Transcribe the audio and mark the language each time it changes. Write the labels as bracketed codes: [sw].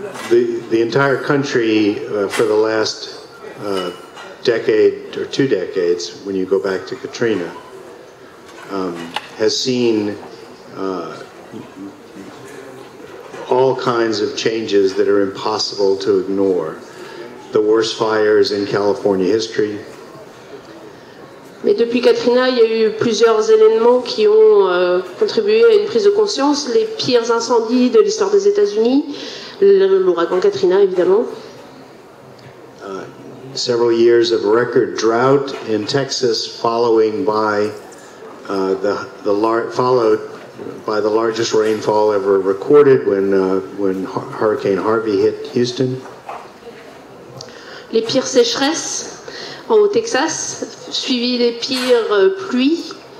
[en] The entire country for the last decade or two decades, when you go back to Katrina, has seen all kinds of changes that are impossible to ignore. The worst fires in California history. [fr] Mais depuis Katrina, il y a eu plusieurs événements qui ont contribué à une prise de conscience. Les pires incendies de l'histoire des États-Unis, l'ouragan Katrina, évidemment. [en] Several years of record drought in Texas, followed by the largest rainfall ever recorded when Hurricane Harvey hit Houston. [fr] Les pires sécheresses au Texas, suivi les pires pluies.